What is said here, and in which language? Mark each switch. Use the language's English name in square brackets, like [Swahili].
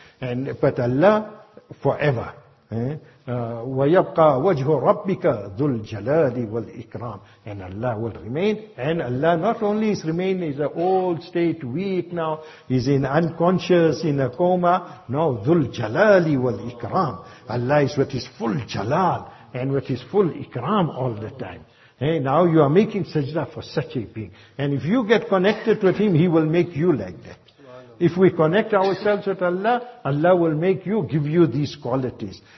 [English] And but Allah, forever. [Arabic] وَيَبْقَى وَجْهُ رَبِّكَ ذُو الْجَلَالِ وَالْإِكْرَامِ. [English] And Allah will remain. And Allah not only is remaining, is an old state, weak now, is in unconscious, in a coma. [Arabic] No, ذُو الْجَلَالِ وَالْإِكْرَامِ. [English] Allah is with His full jalal and with His full ikram all the time. Hey, now you are making sajda for such a being. And if you get connected with Him, He will make you like that. If we connect ourselves with Allah, Allah will make you, give you these qualities.